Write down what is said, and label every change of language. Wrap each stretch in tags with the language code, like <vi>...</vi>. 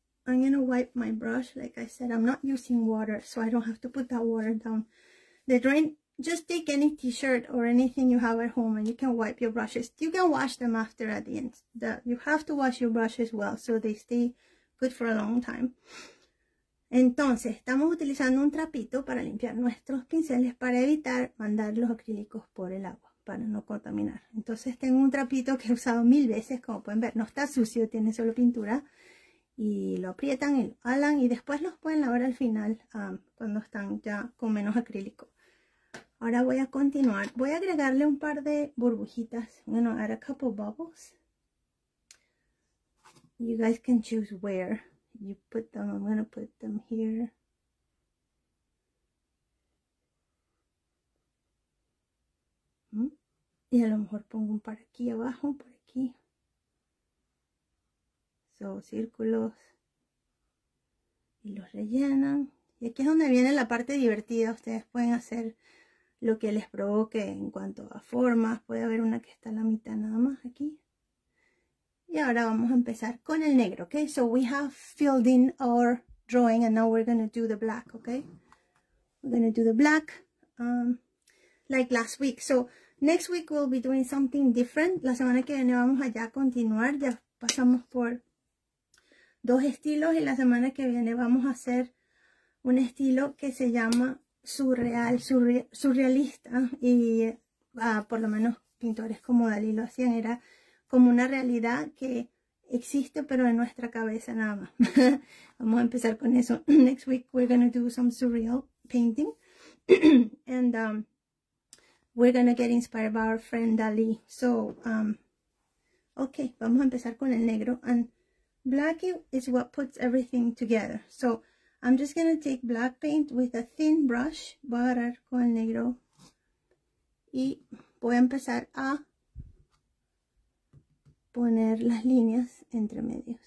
<en>I'm going to wipe my brush. Like I said, I'm not using water, so I don't have to put that water down the drain. Just take any t-shirt or anything you have at home and you can wipe your brushes. You can wash them after at the end. You have to wash your brushes well so they stay good for a long time.</en> <es>Entonces, estamos utilizando un trapito para limpiar nuestros pinceles para evitar mandar los acrílicos por el agua, para no contaminar. Entonces, tengo un trapito que he usado mil veces, como pueden ver. No está sucio, tiene solo pintura. Y lo aprietan y lo alan y después los pueden lavar al final cuando están ya con menos acrílico. Ahora voy a continuar. Voy a agregarle un par de burbujitas.</es> <en>I'm gonna add a couple bubbles. You guys can choose where you put them. I'm gonna put them here.</en> <es>Y a lo mejor pongo un par aquí abajo, por aquí. Círculos y los rellenan, y aquí es donde viene la parte divertida. Ustedes pueden hacer lo que les provoque en cuanto a formas. Puede haber una que está a la mitad nada más aquí, y ahora vamos a empezar con el negro.</es> <en>Okay, so we have filled in our drawing and now we're gonna do the black. Okay, we're gonna do the black like last week. So next week we'll be doing something different.</en> <es>La semana que viene vamos allá a continuar. Ya pasamos por dos estilos, y la semana que viene vamos a hacer un estilo que se llama surreal, surrealista. Y por lo menos pintores como Dalí lo hacían, era como una realidad que existe pero en nuestra cabeza nada más. Vamos a empezar con eso.</es> <en>Next week we're going to do some surreal painting. And We're going to get inspired by our friend Dalí.</en> <es>So, okay, vamos a empezar con el negro.</es> <en>And black is what puts everything together. So, I'm just going to take black paint with a thin brush.</en> <es>Voy a agarrar con el negro. Y voy a empezar a poner las líneas entre medio.</es>